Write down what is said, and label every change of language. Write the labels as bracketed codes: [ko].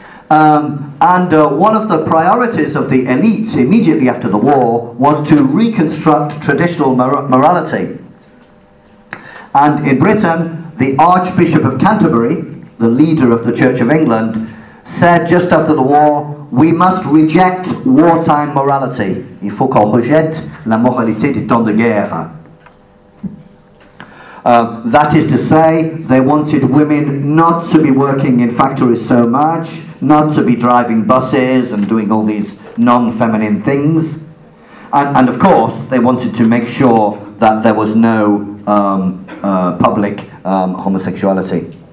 [en] One of the priorities of the elites immediately after the war was to reconstruct traditional morality. And in Britain, the Archbishop of Canterbury, the leader of the Church of England, said just after the war, we must reject wartime morality. [fr] Il faut qu'on rejette la moralité du temps de guerre. [en] That is to say, they wanted women not to be working in factories so much, not to be driving buses and doing all these non-feminine things. And of course, they wanted to make sure that there was no public homosexuality.